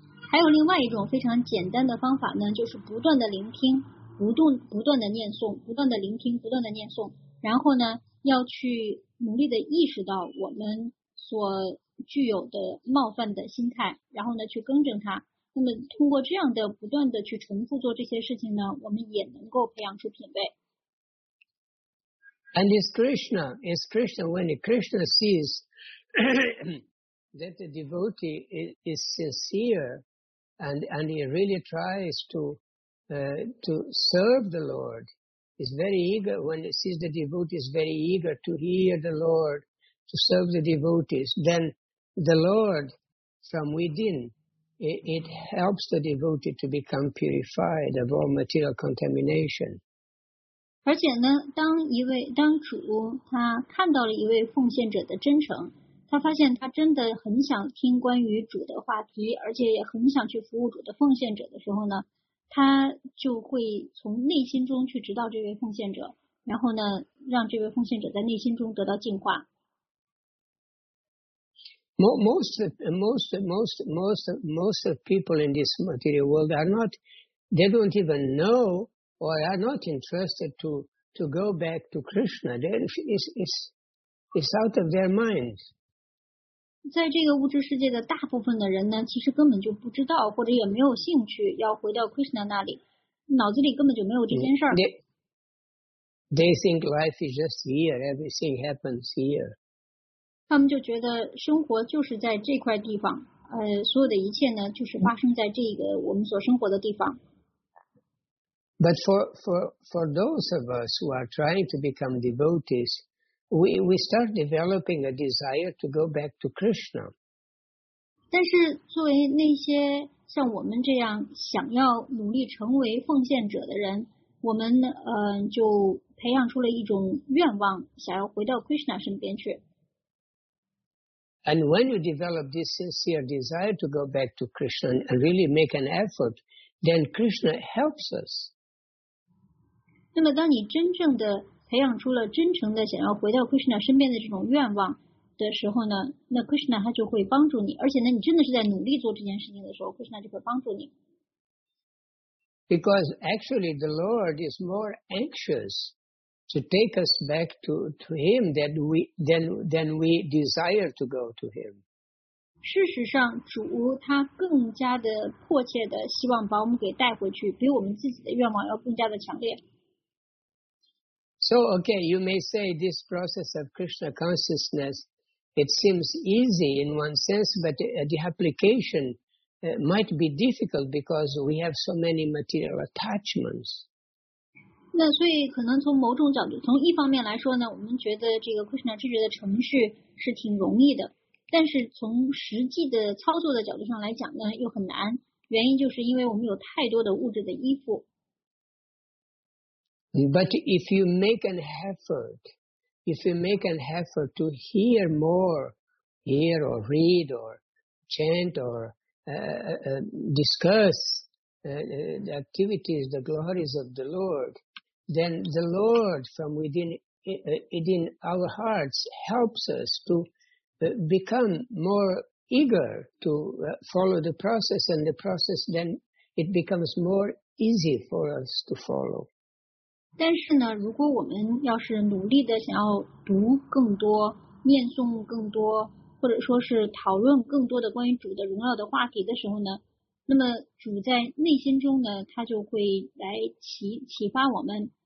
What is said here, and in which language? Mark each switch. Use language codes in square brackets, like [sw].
[zh] 还有另外一种非常简单的方法呢，就是不断的聆听，不断的念诵，不断的聆听，不断的念诵。然后呢，要去努力的意识到我们所具有的冒犯的心态，然后呢，去更正它。那么通过这样的不断的去重复做这些事情呢，我们也能够培养出品味。 [en] And is Krishna, when Krishna sees that the devotee is sincere and he really tries to serve the Lord, is very eager, when he sees the devotee is very eager to hear the Lord, to serve the devotees, then the Lord from within, it helps the devotee to become purified of all material contamination. [zh] 而且呢，当主他看到了一位奉献者的真诚，他发现他真的很想听关于主的话题，而且也很想去服务主的奉献者的时候呢，他就会从内心中去指导这位奉献者，然后呢，让这位奉献者在内心中得到净化。 [en] Most of people in this material world don't even know or are not interested to go back to Krishna. It's out of their minds. [zh] 在这个物质世界的大部分的人呢，其实根本就不知道或者也没有兴趣要回到 Krishna 那里，脑子里根本就没有这件事儿。 [en] They think life is just here. Everything happens here. [zh] 他们就觉得生活就是在这块地方，所有的一切呢，就是发生在这个我们所生活的地方。 [en] But for those of us who are trying to become devotees, we start developing a desire to go back to Krishna. [zh] 但是作为那些像我们这样想要努力成为奉献者的人，我们就培养出了一种愿望，想要回到 Krishna 身边去。 [en] And when you develop this sincere desire to go back to Krishna and really make an effort, then Krishna helps us. [zh] 那么当你真正的培养出了真诚的想要回到 Krishna 身边的这种愿望的时候呢，那 Krishna 他就会帮助你，而且呢，你真的是在努力做这件事情的时候， Krishna 就会帮助你。 [en] Because actually the Lord is more anxious to take us back to him than we desire to go to him. [zh] 事实上主他更加的迫切的希望把我们给带回去，比我们自己的愿望要更加的强烈。 [en] So, okay, you may say this process of Krishna consciousness, it seems easy in one sense, but the application might be difficult because we have so many material attachments. [zh] 那所以可能从某种角度，从一方面来说呢，我们觉得这个 Krishna 知觉的程序是挺容易的，但是从实际的操作的角度上来讲呢，又很难。原因就是因为我们有太多的物质的依附。 [en] But if you make an effort, if you make an effort to hear more, hear or read or chant or discuss the activities, the glories of the Lord. Then the Lord from within our hearts helps us to become more eager to follow the process, and the process then it becomes more easy for us to follow. [zh] 但是呢，如果我们要是努力的想要读更多、念诵更多，或者说是讨论更多的关于主的荣耀的话题的时候呢，那么主在内心中呢，他就会来启发我们。